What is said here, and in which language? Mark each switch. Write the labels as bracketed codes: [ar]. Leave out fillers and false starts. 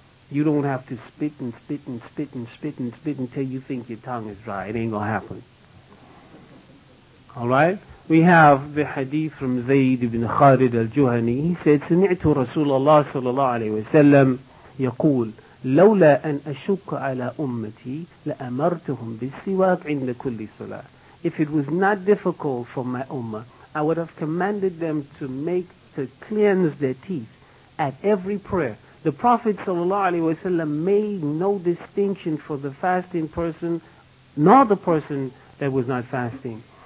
[en] You don't have to spit and spit and spit and spit and spit until you think your tongue is dry. It ain't gonna happen. Alright? We have the hadith from Zayd ibn Khalid al-Juhani. He said, [ar] سمعت رسول الله صلى الله عليه وسلم يقول لولا أن أشك على أمتي لأمرتهم بالسواك عند كل صلاة. [en] If it was not difficult for my ummah, I would have commanded them to make to cleanse their teeth at every prayer. The Prophet ﷺ made no distinction for the fasting person nor the person that was not fasting.